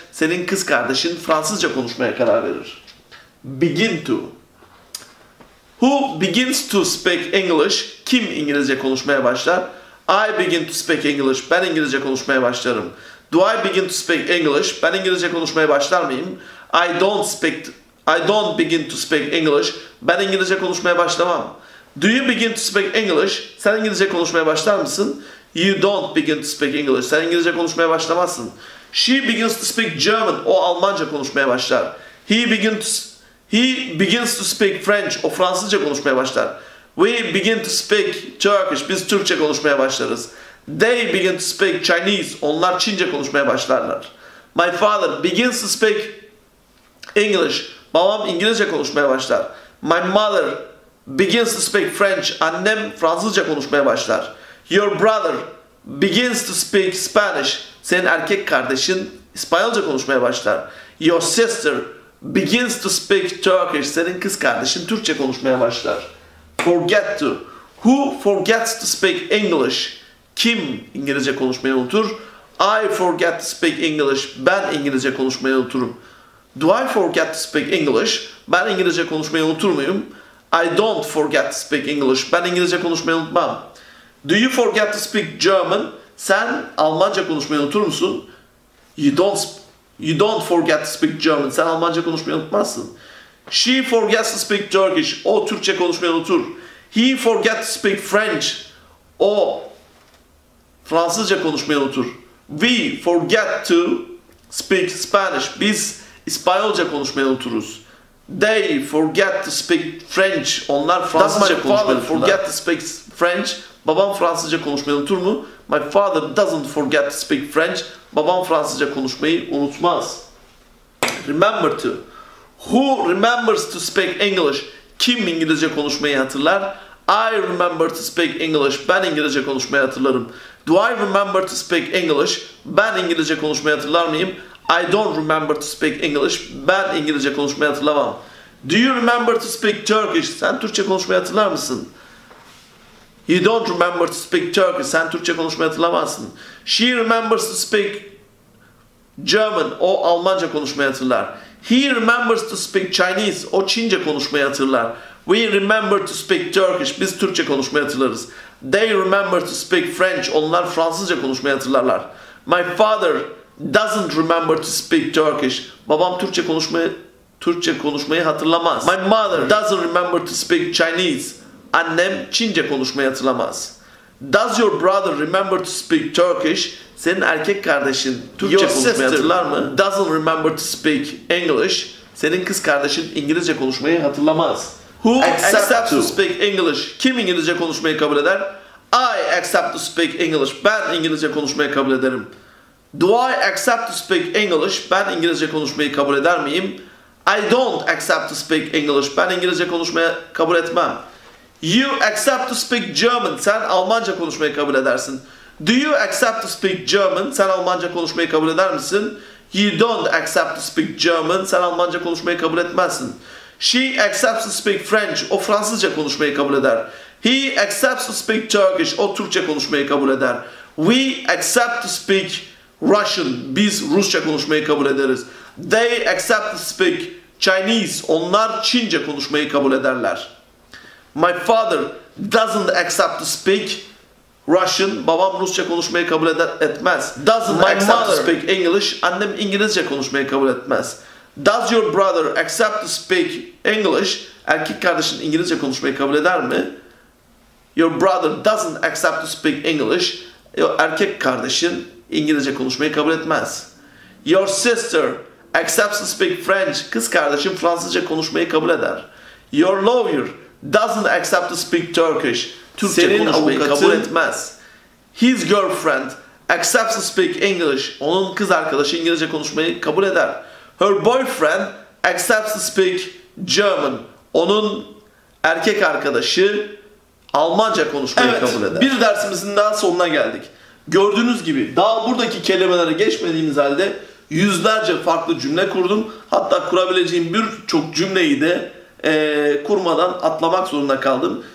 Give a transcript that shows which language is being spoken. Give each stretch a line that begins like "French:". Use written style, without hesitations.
Turkish: Senin kız kardeşin Fransızca konuşmaya karar verir.
English: Begin to. Who begins to speak English?
Turkish: Kim İngilizce konuşmaya başlar?
English: I begin to speak English.
Turkish: Ben İngilizce konuşmaya başlarım.
English: Do I begin to speak English?
Turkish: Ben İngilizce konuşmaya başlar mıyım?
English: I don't begin to speak English.
Turkish: Ben İngilizce konuşmaya başlamam.
English: Do you begin to speak English?
Turkish: Sen İngilizce konuşmaya başlar mısın?
English: You don't begin to speak English.
Turkish: Sen İngilizce konuşmaya başlamazsın.
English: She begins to speak German.
Turkish: O Almanca konuşmaya başlar.
English: He begins to speak French.
Turkish: O Fransızca konuşmaya başlar.
English: We begin to speak Turkish.
Turkish: Biz Türkçe konuşmaya başlarız.
English: They begin to speak Chinese.
Turkish: Onlar Çince konuşmaya başlarlar.
English: My father begins to speak English.
Turkish: Babam İngilizce konuşmaya başlar.
English: My mother begins to speak French.
Turkish: Annem Fransızca konuşmaya başlar.
English: Your brother begins to speak Spanish.
Turkish: Senin erkek kardeşin İspanyolca konuşmaya başlar.
English: Your sister begins to speak Turkish.
Turkish: Senin kız kardeşin Türkçe konuşmaya başlar.
English: Forget to. Who forgets to speak English?
Turkish: Kim İngilizce konuşmayı unutur?
English: I forget to speak English.
Turkish: Ben İngilizce konuşmayı unuturum.
English: Do I forget to speak English?
Turkish: Ben İngilizce konuşmayı unutur muyum?
English: I don't forget to speak English.
Turkish: Ben İngilizce konuşmayı unutmam.
English: Do you forget to speak German?
Turkish: Sen Almanca konuşmayı unutur musun?
English: You don't forget to speak German.
Turkish: Sen Almanca konuşmayı unutmazsın.
English: She forgets to speak Turkish.
Turkish: O Türkçe konuşmayı unutur.
English: He forgets to speak French.
Turkish: O Fransızca konuşmayı unutur.
English: We forget to speak Spanish.
Turkish: Biz İspanyolca konuşmayı unuturuz.
English: They forget to speak French.
Turkish: Onlar Fransızca konuşmayı unuturlar.
English: Forget to speak French.
Turkish: Babam Fransızca konuşmayı unutur mu?
English: My father doesn't forget to speak French.
Turkish: Babam Fransızca konuşmayı unutmaz.
English: Remember to. Who remembers to speak English?
Turkish: Kim İngilizce konuşmayı hatırlar?
English: I remember to speak English.
Turkish: Ben İngilizce konuşmayı hatırlarım.
English: Do I remember to speak English?
Turkish: Ben İngilizce konuşmayı hatırlar mıyım?
English: I don't remember to speak English.
Turkish: Ben İngilizce konuşmayı hatırlamam.
English: Do you remember to speak Turkish?
Turkish: Sen Türkçe konuşmayı hatırlar mısın?
English: You don't remember to speak Turkish.
Turkish: Sen Türkçe konuşmayı hatırlamazsın.
English: She remembers to speak German.
Turkish: O Almanca konuşmayı hatırlar.
English: He remembers to speak Chinese.
Turkish: O Çince konuşmayı hatırlar.
English: We remember to speak Turkish.
Turkish: Biz Türkçe konuşmayı hatırlarız.
English: They remember to speak French.
Turkish: Onlar Fransızca konuşmayı hatırlarlar.
English: My father doesn't remember to speak Turkish.
Turkish: Babam Türkçe konuşmayı hatırlamaz.
English: My mother doesn't remember to speak Chinese.
Turkish: Annem Çince konuşmayı hatırlamaz.
English: Does your brother remember to speak Turkish?
Turkish: Senin erkek kardeşin Türkçe
English: your
Turkish: konuşmayı hatırlar mı?
English: Doesn't remember to speak English.
Turkish: Senin kız kardeşin İngilizce konuşmayı hatırlamaz.
English: Who accepts to speak English?
Turkish: Kim İngilizce konuşmayı kabul eder?
English: I accept to speak English.
Turkish: Ben İngilizce konuşmayı kabul ederim.
English: Do I accept to speak English?
Turkish: Ben İngilizce konuşmayı kabul eder miyim?
English: I don't accept to speak English.
Turkish: Ben İngilizce konuşmayı kabul etmem.
English: You accept to speak German.
Turkish: Sen Almanca konuşmayı kabul edersin.
English: Do you accept to speak German?
Turkish: Sen Almanca konuşmayı kabul eder misin?
English: You don't accept to speak German.
Turkish: Sen Almanca konuşmayı kabul etmezsin.
English: She accepts to speak French.
Turkish: O Fransızca konuşmayı kabul eder.
English: He accepts to speak Turkish.
Turkish: O Türkçe konuşmayı kabul eder.
English: We accept to speak Russian.
Turkish: Biz Rusça konuşmayı kabul ederiz.
English: They accept to speak Chinese.
Turkish: Onlar Çince konuşmayı kabul ederler.
English: My father doesn't accept to speak Russian.
Turkish: Babam Rusça konuşmayı kabul etmez.
English: Doesn't My accept mother. To speak English.
Turkish: Annem İngilizce konuşmayı kabul etmez.
English: Does your brother accept to speak English?
Turkish: Erkek kardeşin İngilizce konuşmayı kabul eder mi?
English: Your brother doesn't accept to speak English.
Turkish: Erkek kardeşin İngilizce konuşmayı kabul etmez.
English: Your sister accepts to speak French.
Turkish: Kız kardeşin Fransızca konuşmayı kabul eder.
English: Your lawyer doesn't accept to speak Turkish.
Turkish: Türkçe Senin konuşmayı avukatın... kabul etmez.
English: His girlfriend accepts to speak English.
Turkish: Onun kız arkadaşı İngilizce konuşmayı kabul eder.
English: Her boyfriend accepts to speak German.
Turkish: Onun erkek arkadaşı Almanca konuşmayı evet, kabul eder. Evet, bir dersimizin daha sonuna geldik. Gördüğünüz gibi daha buradaki kelimelere geçmediğimiz halde yüzlerce farklı cümle kurdum. Hatta kurabileceğim birçok cümleyi de kurmadan atlamak zorunda kaldım.